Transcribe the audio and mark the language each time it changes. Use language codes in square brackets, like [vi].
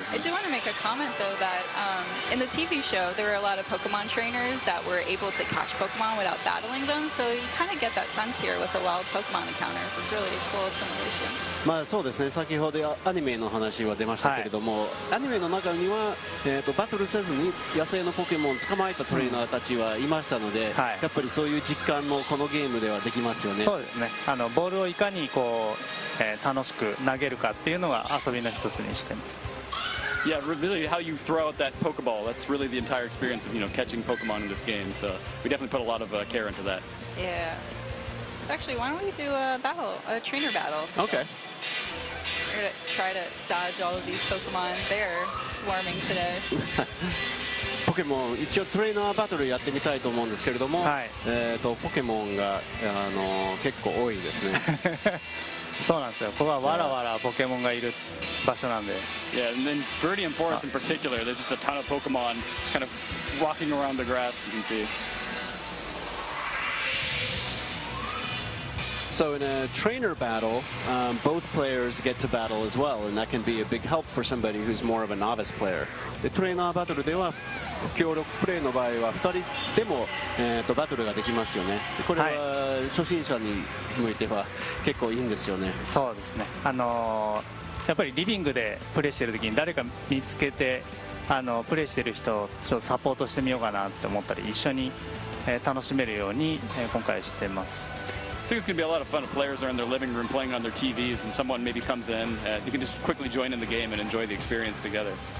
[en] I do want to make a comment though that in the TV show there were a lot of Pokemon trainers that were able to catch Pokemon without battling them. So you kind of get that sense here with the wild Pokemon encounters. It's really a cool simulation. [ja] まあそうですね。先ほどアニメの話は出ましたけれども、はい、アニメの中にはバトルせずに野生のポケモン捕まえたトレーナーたちはいましたので、はい、やっぱりそういう実感もこのゲームではできますよね。そうですね。あのボールをいかにこう、楽しく投げるかっていうのが遊びの一つにしてます。 [en] Yeah, really, how you throw out that Pokeball, that's really the entire experience of, you know, catching Pokemon in this game. So we definitely put a lot of care into that. Yeah. So actually, why don't we do a battle, a trainer battle? Okay. We're going to try to dodge all of these Pokemon. They're swarming today. [ja] ポケモン、一応トレーナーバトルやってみたいと思うんですけれども、はい、ポケモンが結構多いですね。そうなんですよ。ここはわらわらポケモンがいる場所なんで。 [en] Yeah, and then Viridian Forest in particular, there's just a ton of Pokemon kind of walking around the grass, you can see. So in a trainer battle, both players get to battle as well, and that can be a big help for somebody who's more of a novice player. The trainer battle [ja] では協力プレイの場合は2人でもバトルができますよね。これは初心者に向いては結構いいんですよね。そうですね。やっぱりリビングでプレイしてる時に誰か見つけてプレイしてる人をちょっとサポートしてみようかなって思ったり、一緒に楽しめるように今回してます。 [en] I think it's going to be a lot of fun if players are in their living room playing on their TVs and someone maybe comes in. You can just quickly join in the game and enjoy the experience together.